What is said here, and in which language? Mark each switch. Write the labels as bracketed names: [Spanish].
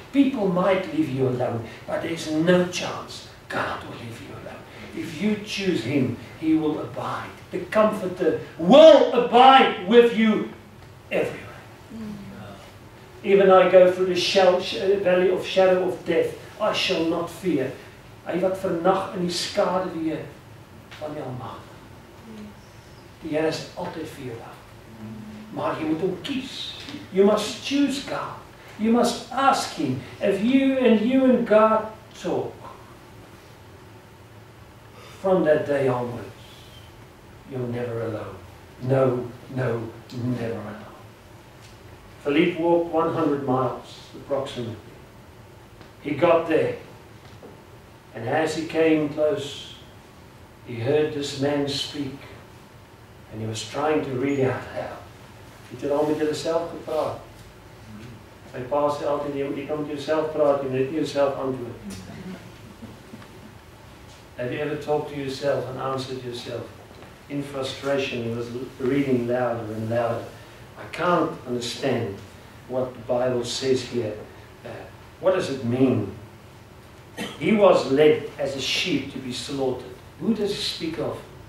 [English] People might leave you alone, but there's no chance God will leave you alone. If you choose him, he will abide. The Comforter will abide with you everywhere. Even I go through the valley of shadow of death, I shall not fear. [Afrikaans] Hy wat vannacht in die skade weer van die Almagtige. Die Here is altyd vir jou daar. Maar jy moet hom kies. [English] You must choose God. You must ask him. If you and God talk, from that day onward, you're never alone. No, never alone. Philip walked 100 miles, approximately. He got there. And as he came close, he heard this man speak. And he was trying to read out loud. He said, [Afrikaans] "Om met jouself te praat." My pa [English] said, [Afrikaans] "Altijd, jy kan met jouself praat, jy moet nie jouself antwoord." [English] Have you ever talked to yourself and answered yourself? In frustration, he was reading louder and louder. I can't understand what the Bible says here. What does it mean? He was led as a sheep to be slaughtered. Who does he speak of?